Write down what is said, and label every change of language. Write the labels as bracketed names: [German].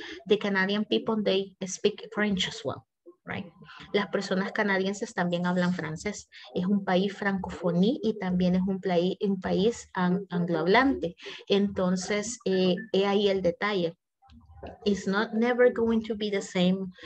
[English] The Canadian people, they speak French as well, right? [Spanish] Las personas canadienses también hablan francés. Es un país francófono y también es un país anglohablante. Entonces, he ahí el detalle. [English] It's not never going to be the same.